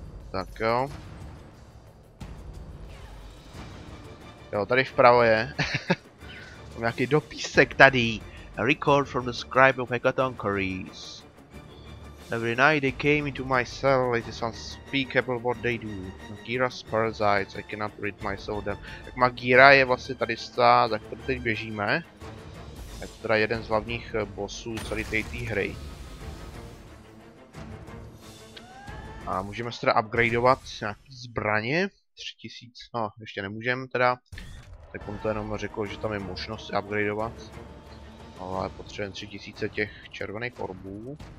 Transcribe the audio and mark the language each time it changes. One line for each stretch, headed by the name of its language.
Czech: Tak jo. Jo, tady vpravo je. Mám nějaký dopisek tady.
English: A record from the scribe of Hecatoncheires. Every night they came into my cell, it is unspeakable what they do. Magira's parasites, I cannot rid myself of them.
Czech: Tak Magira je vlastně tady za kterou teď běžíme. Je to teda jeden z hlavních bossů celé té hry. A můžeme se teda upgradeovat nějaký zbraně, 3000, no ještě nemůžeme teda, tak on to jenom řekl, že tam je možnost upgradeovat, ale potřebujeme 3000 těch červených orbů.